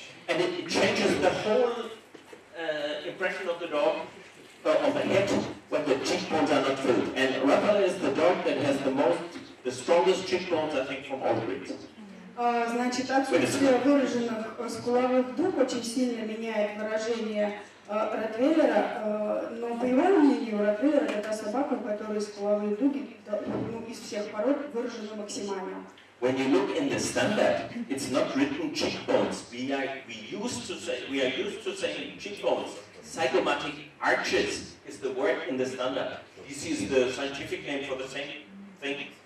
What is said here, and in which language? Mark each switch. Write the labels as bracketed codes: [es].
[en] And it changes the whole impression of the dog, of the head, when the cheekbones are not filled. And Rottweiler is the dog that has the strongest cheekbones, I think, from all breeds. [ru] Значит, отсутствие выраженных скуловых дуг очень сильно меняет выражение ротвейлера, но по его мнению, ротвейлер это та собака, у которой скуловые дуги из всех пород выражены максимально. [en] When you look in the standard, it's not written cheekbones. We are used to saying cheekbones. Zygomatic arches is the word in the standard. This is the scientific name for the same thing.